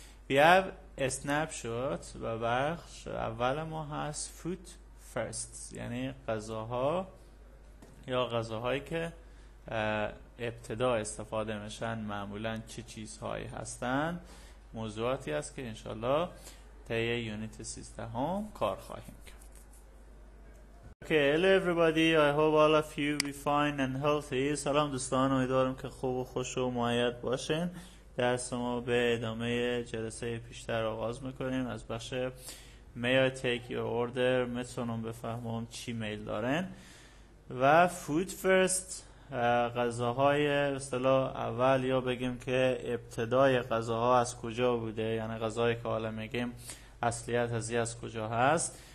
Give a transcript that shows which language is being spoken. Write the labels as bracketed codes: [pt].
[en] We have snapshot [fa] و بخش اول ما هست food first، یعنی غذاها یا غذاهایی که ابتدا استفاده میشن معمولا چه چیزهایی هستن. موضوعاتی هست که انشالله طی یونیت 13 هم کار خواهیم کرد. [en] Okay, hello everybody. I hope all of you be fine and healthy. [fa] سلام دوستان، امیدوارم که خوب و خوش و معید باشین. درس ما به ادامه جلسه پیشتر آغاز میکنیم از بخش [en] May I take your order؟ [fa] میتونم بفهمم چی میل دارن؟ و food first، غذاهای اصطلاح اول، یا بگیم که ابتدای غذاها از کجا بوده، یعنی غذایی که حالا میگیم اصلیت از کجا هست.